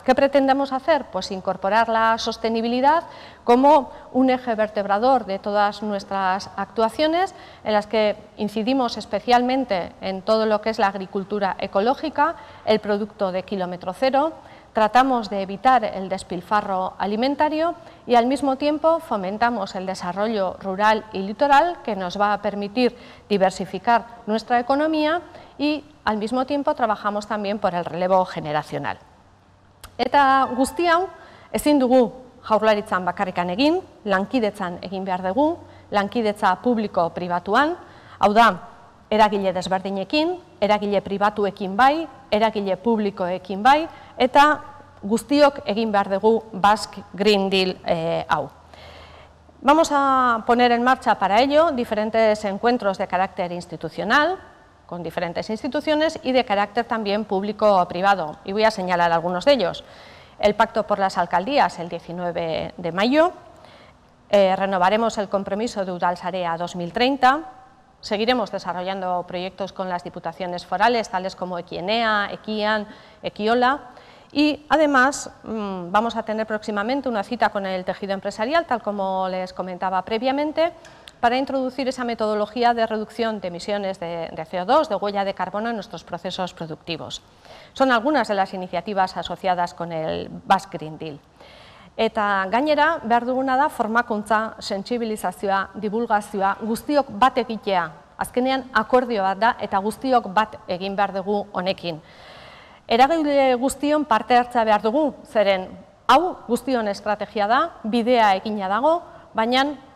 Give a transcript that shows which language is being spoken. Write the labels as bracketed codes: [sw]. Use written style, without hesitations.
[es] ¿Qué pretendemos hacer? Pues incorporar la sostenibilidad como un eje vertebrador de todas nuestras actuaciones, en las que incidimos especialmente en todo lo que es la agricultura ecológica, el producto de kilómetro cero. Tratamos de evitar el despilfarro alimentario y al mismo tiempo fomentamos el desarrollo rural y litoral que nos va a permitir diversificar nuestra economía y al mismo tiempo trabajamos también por el relevo generacional. [eu] Eta guzti hau ezin dugu Jaurlaritzan bakarrikan egin, lankidetzan egin behar dugu, lankidetza publiko-pribatuan, hau da, eragile desberdinekin, eragile pribatuekin bai, eragile publikoekin bai, eta guztiok egin behar dugu Basque Green Deal hau. [es] Vamos a poner en marcha para ello diferentes encuentros de carácter institucional, con diferentes instituciones y de carácter también público o privado, y voy a señalar algunos de ellos. El Pacto por las Alcaldías, el 19 de mayo, renovaremos el compromiso de Udalsarea 2030, seguiremos desarrollando proyectos con las diputaciones forales, tales como Equienea, Equian, Equiola, y además vamos a tener próximamente una cita con el tejido empresarial, tal como les comentaba previamente, para introducir esa metodología de reducción de emisiones de CO2, de huella de carbono en nuestros procesos productivos. Son algunas de las iniciativas asociadas con el Basque Green Deal. [eu] Eta gainera, behar duguna da formakuntza, sentsibilizazioa, divulgazioa, guztiok bat egitea, azkenean akordio bat da eta guztiok bat egin behar dugu honekin. Eragile guztion parte hartzea behar dugu, zeren hau guztion estrategia da, bidea egina dago, baina